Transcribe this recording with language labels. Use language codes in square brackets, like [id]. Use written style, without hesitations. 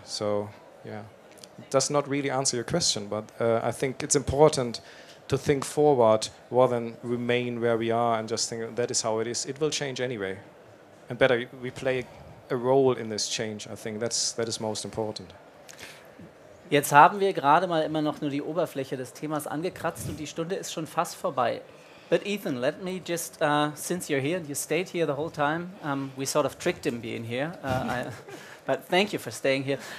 [en] So, yeah, it does not really answer your question, but I think it's important to think forward rather than remain where we are and just think that is how it is. It will change anyway. And better, we play a role in this change, I think. That is most important. [de] Jetzt haben wir gerade mal immer noch nur die Oberfläche des Themas angekratzt und die Stunde ist schon fast vorbei. [en] But Ethan, let me just, since you're here and you stayed here the whole time, we sort of tricked him being here, but thank you for staying here.